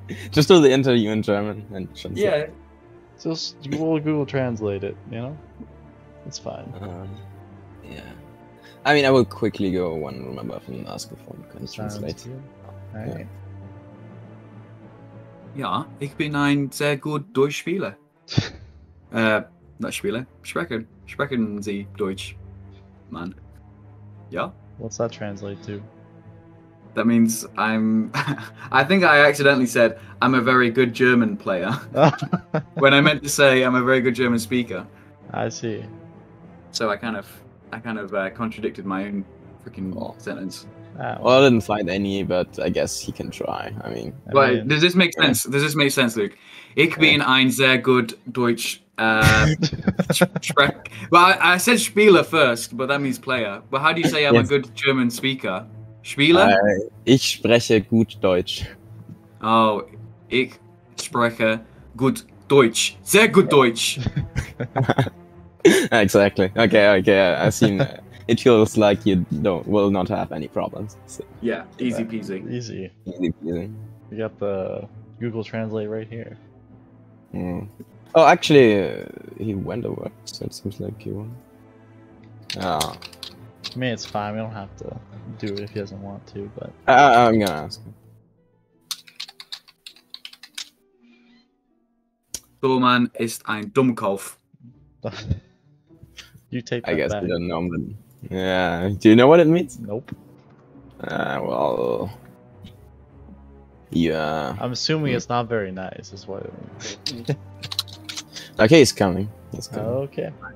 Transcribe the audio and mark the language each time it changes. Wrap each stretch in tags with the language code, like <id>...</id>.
<en>Just do the interview in German and translate. Yeah. Just we'll Google Translate it, you know? It's fine. Yeah. I mean, I will quickly go one room above and ask if one can translate.</en> <de>Yeah, ich bin ein sehr gut Deutsch Spieler.</de> <en>Not</en> <de>Spieler. Sprechen Sie Deutsch, man.</de> <en>Yeah. What's that translate to? That means I'm... I think I accidentally said I'm a very good German player. When I meant to say I'm a very good German speaker. I see. So I kind of contradicted my own freaking sentence. Well, I didn't find any, but I guess he can try. I mean, but does this make sense? Does this make sense, Luke?</en> <de>Ich bin ein sehr gut Deutsch Sprecher.</de> <en>Well, I said Spieler first, but that means player. But how do you say I'm a good German speaker?</en> <de>Spieler? Ich spreche gut Deutsch. Oh, ich spreche gut Deutsch. Sehr gut Deutsch.</de> <en>Exactly. Okay. I've seen that. It feels like you will not have any problems. So. Yeah, easy peasy. Easy. Easy peasy. We got the Google Translate right here. Mm. Oh, actually, he went away, so it seems like he won. Oh. I mean, it's fine. We don't have to do it if he doesn't want to, but... I'm gonna ask him.</en> <de>Thorman ist ein Dummkopf.</de> <en>You take I guess back. You don't know, but... Yeah, do you know what it means? Nope. Well... Yeah... I'm assuming it's not very nice, is what it means. Okay, it's coming. It's coming. Okay.</en>